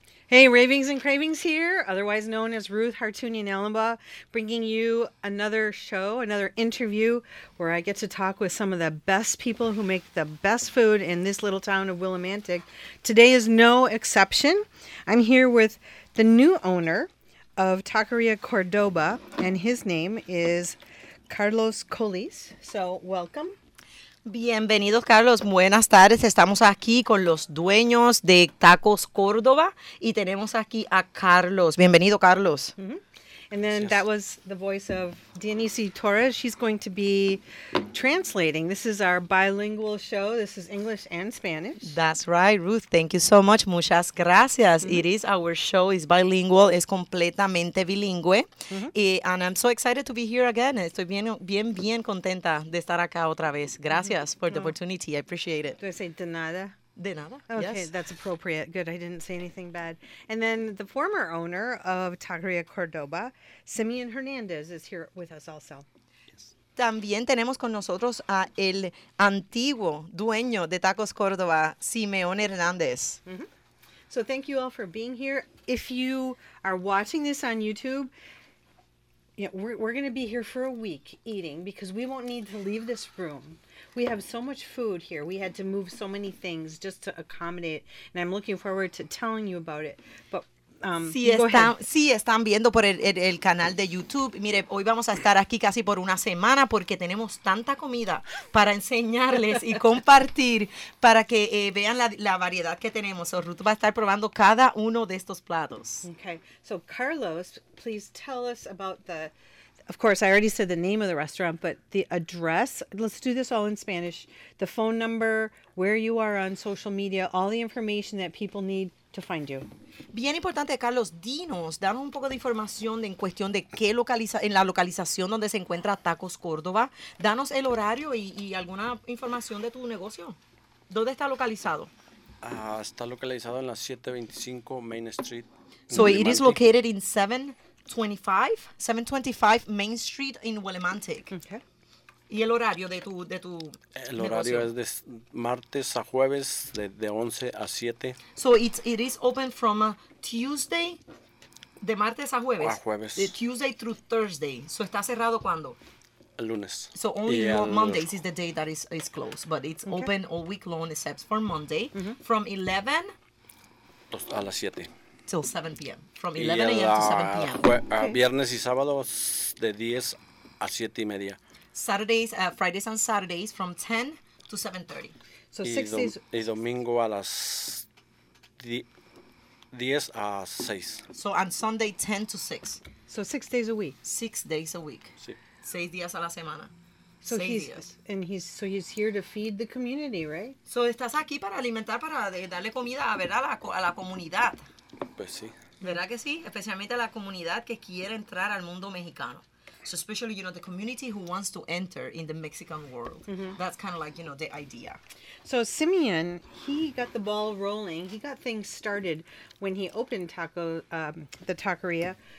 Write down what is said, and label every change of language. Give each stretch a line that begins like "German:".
English: Hey, Ravings and Cravings here, otherwise known as Ruth Hartooni Nalamba, bringing you another show, another interview, where I get to talk with some of the best people who make the best food in this little town of Willimantic. Today is no exception. I'm here with the new owner of Taqueria Cordoba, and his name is Carlos Colis. So, welcome.
Spanish: Bienvenido, Carlos. Buenas tardes. Estamos aquí con los dueños de Tacos Córdoba y tenemos aquí a Carlos. Bienvenido, Carlos. Mm-hmm.
English: And then that was the voice of Dionisi Torres. She's going to be translating. This is our bilingual show. This is English and Spanish. That's right, Ruth. Thank you so much.
Spanish: Muchas gracias.
English: Mm-hmm. It is our show. It's bilingual.
Spanish: Es completamente bilingüe. Mm-hmm.
English: And I'm so excited to be here again.
Spanish: Estoy bien, bien, bien contenta de estar acá otra vez.
English: Gracias mm-hmm. for the opportunity. I appreciate it. Do I say
Spanish: de nada? De nada.
English: Okay, yes. That's appropriate. Good. I didn't say anything bad. And then the former owner of Taqueria Cordoba, Simeon Hernandez, is here with us also. También tenemos con nosotros a el antiguo dueño de Tacos Córdoba, Simeon Hernandez. Mm-hmm. So thank you all for being here. If you are watching this on YouTube, you know, we're going to be here for a week eating because we won't need to leave this room. We have so much food here. We had to move so many things just to accommodate. And I'm looking forward to telling you about it. But
Spanish: sí, están viendo por el canal de YouTube. Mire, hoy vamos a estar aquí casi por una semana porque tenemos tanta comida para enseñarles y compartir para que vean la variedad que tenemos. So Ruth va a estar probando cada uno de estos platos.
English: Okay. So, Carlos, please tell us about the... Of course, I already said the name of the restaurant, but the address, let's do this all in Spanish. The phone number, where you are on social media, all the information that people need to find you.
Spanish: Bien importante, Carlos, dinos, danos un poco de información en cuestión de qué localiza, en la localización donde se encuentra Tacos Córdoba. Danos el horario y alguna información de tu negocio. ¿Dónde está localizado? Está localizado en la 725 Main Street.
English: So it is located in 725 Main Street in Willimantic. Okay.
Spanish: ¿Y el horario de tu El horario negocio? Es de martes a jueves de 11 a 7.
English: So it is open from Tuesday,
Spanish: de martes a jueves. A jueves.
English: De Tuesday through Thursday.
Spanish: So está cerrado ¿cuándo? El lunes.
English: So only Mondays is the day that is closed. But it's okay. Open all week long except for Monday. Mm-hmm. From 11
Spanish: a las 7.
English: Till 7 p.m. From 11 a.m. to 7 p.m.
Spanish: Viernes y sábados de 10 a 7 y media.
English: Saturdays, Fridays and Saturdays from 10 to 7:30. So 6 days.
Spanish: Y domingo a las 10 a 6.
English: So on Sunday 10 to 6. So 6 days a week. 6 days a week.
Spanish: Sí. 6 días a la semana.
English: So he's here to feed the community, right?
Spanish: So estás aquí para alimentar, para darle comida, ¿verdad? A la comunidad. Pues sí. ¿Verdad que sí? Especialmente a la comunidad que quiere entrar al mundo mexicano.
English: So especially, you know, the community who wants to enter in the Mexican world. Mm-hmm. That's kind of like, you know, the idea. So Simeon, he got the ball rolling. He got things started when he opened the Taqueria.